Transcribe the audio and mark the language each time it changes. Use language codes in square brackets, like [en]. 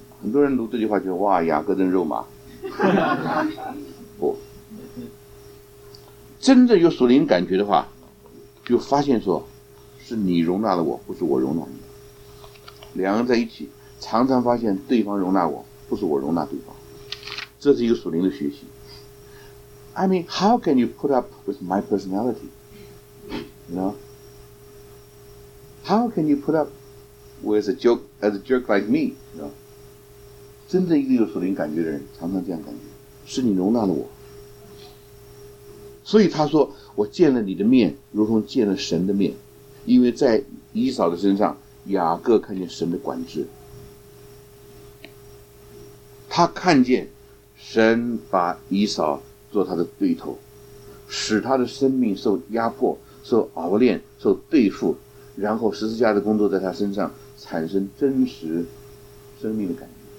[zh] 很多人读这句话就哇，雅各真肉麻不，真正有属灵感觉的话，就发现说是你容纳了我，不是我容纳你。两人在一起常常发现对方容纳我，不是我容纳对方，这是一个属灵的学习。 [en] I mean how can you put up with my personality, you know, how can you put up with a jerk like me, you know? [zh] 真正一个有属灵感觉的人常常这样感觉，是你容纳了我。所以他说我见了你的面如同见了神的面，因为在以扫的身上雅各看见神的管制，他看见神把以扫做他的对头，使他的生命受压迫，受熬炼，受对付，然后十字架的工作在他身上产生真实生命的感觉。